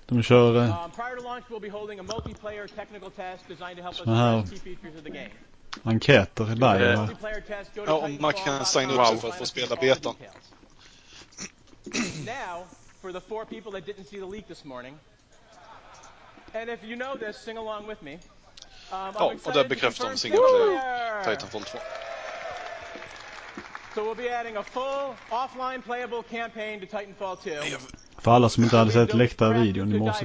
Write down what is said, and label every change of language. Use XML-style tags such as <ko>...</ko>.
<sv>De kör</sv> <en>prior to launch we'll be holding a multiplayer technical test designed to help us with the features of the game.</en> <sv>Enkäter i live. Ja, om man kan signa upp för att få spela betan.</sv> <en>Now, for the four people that didn't see the leak this morning. And if you know this, sing along with me.</en> <sv>Ja, och det bekräftar om single player Titanfall 2.</sv> <en>So we'll be adding a full offline playable campaign to Titanfall 2.</en> <sv>För alla som inte hade sett läckta videon i morse.</sv>